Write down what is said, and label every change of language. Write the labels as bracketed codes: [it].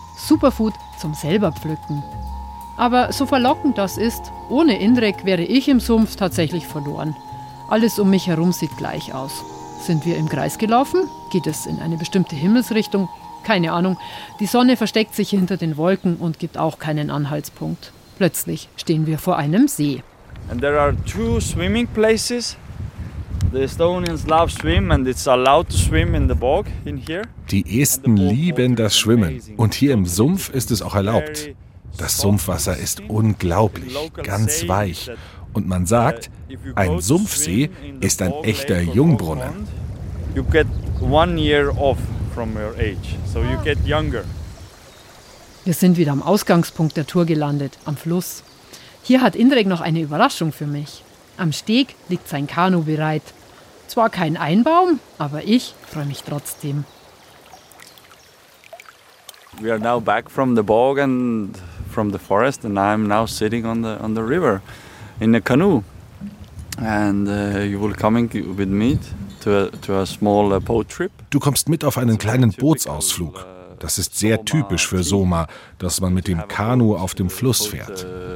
[de] Superfood zum selber pflücken. Aber so verlockend das ist, ohne Indrek wäre ich im Sumpf tatsächlich verloren. Alles um mich herum sieht gleich aus. Sind wir im Kreis gelaufen? Geht es in eine bestimmte Himmelsrichtung? Keine Ahnung. Die Sonne versteckt sich hinter den Wolken und gibt auch keinen Anhaltspunkt. Plötzlich stehen wir vor einem See. [en] And there are two swimming places. The Estonians love swim and it's allowed to swim in the bog in here. [de] Die Esten lieben das Schwimmen und hier im Sumpf ist es auch erlaubt. Das Sumpfwasser ist unglaublich, ganz weich. Und man sagt, ein Sumpfsee ist ein echter Jungbrunnen. [en] You get 1 year off from your age, so you get younger. [de] Wir sind wieder am Ausgangspunkt der Tour gelandet, am Fluss. Hier hat Indrek noch eine Überraschung für mich. Am Steg liegt sein Kanu bereit. Zwar kein Einbaum, aber ich freue mich trotzdem. [en] We are now back from the bog and from the forest and I'm now sitting on the river in a canoe. And you will come with me to a small boat trip. [de] Du kommst mit auf einen kleinen Bootsausflug. Das ist sehr typisch für Soma, dass man mit dem Kanu auf dem Fluss fährt.